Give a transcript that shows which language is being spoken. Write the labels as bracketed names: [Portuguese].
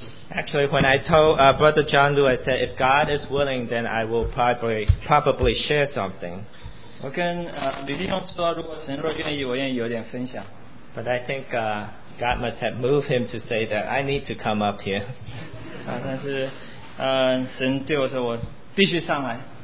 [English] actually, when I told Brother John Liu, I said, if God is willing, then I will probably share something. [Chinese] 我跟李弟兄说，如果神若愿意，我愿意有点分享。 [English] But I think God must have moved him to say that I need to come up here. [Chinese] 但是神对我说，我必须上来。